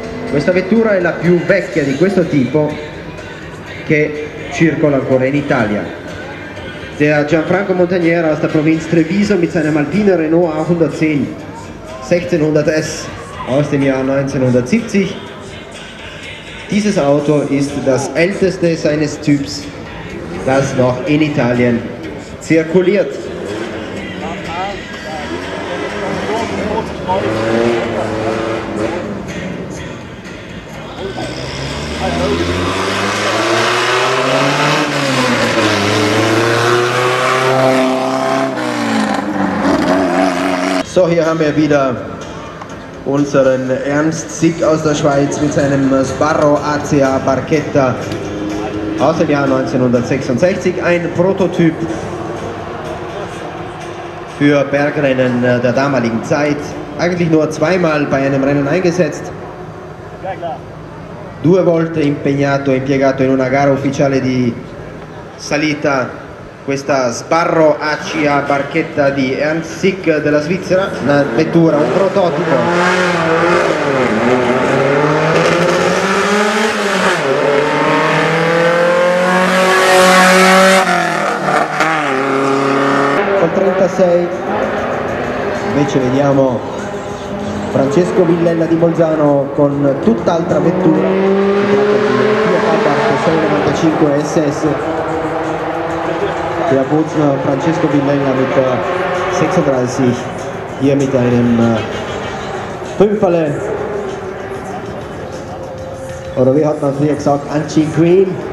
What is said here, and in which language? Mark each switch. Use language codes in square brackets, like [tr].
[it] Questa vettura è la più vecchia di questo tipo che circola ancora in Italia. [de] Der Gianfranco Montagnera aus der Provinz Treviso mit seinem Alpine Renault A110 1600 S aus dem Jahr 1970. Dieses Auto ist das älteste seines Typs, das noch in Italien zirkuliert. So, hier haben wir wieder unseren Ernst Sick aus der Schweiz mit seinem Sparrow ACA Barchetta aus dem Jahr 1966. Ein Prototyp für Bergrennen der damaligen Zeit. Eigentlich nur zweimal bei einem Rennen eingesetzt. [it] Due volte impiegato in una gara ufficiale di salita. Questa Sparrow ACA Barchetta di Ernst Sick della Svizzera, una vettura, un prototipo. Col 36 invece vediamo Francesco Villella di Bolzano con tutt'altra vettura, la parte 695 SS. [de] Der Bozner Francesco Villella mit der 36, hier mit einem Fünferle. Oder wie hat man früher gesagt, Anchin Green.